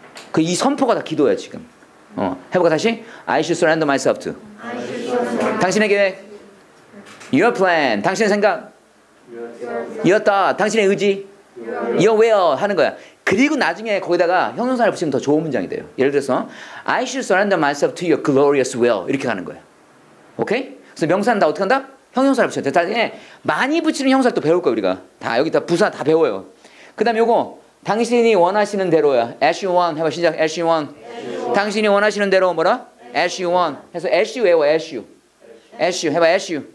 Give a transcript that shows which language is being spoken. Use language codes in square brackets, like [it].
[ko] 그 이 선포가 다 기도야 지금. 해볼까 다시? [en] I should surrender myself to. [ko] 당신의 계획. [en] Your plan. [ko] 당신의 생각. [en] Your thought. [ko] 당신의 의지. [en] Your will. [ko] 하는 거야. 그리고 나중에 거기다가 형용사를 붙이면 더 좋은 문장이 돼요. 예를 들어서 [en] I should surrender myself to your glorious will. [ko] 이렇게 가는 거야. 오케이? 그래서 명사는 다 어떻게 한다? 형용사를 붙여야 돼. 나중에 많이 붙이는 형사를 또 배울 거야 우리가. 다 여기 다 부사 다 배워요. 그 다음에 요거 당신이 원하시는 대로야. [en] As you want. [ko] 해봐 시작. [en] As you want. As you want. [ko] 당신이 원하시는 대로 뭐라? [en] As you want. [ko] 해서 [en] as you [ko] 외워. [en] As you. As you. [ko] 해봐 [en] as you.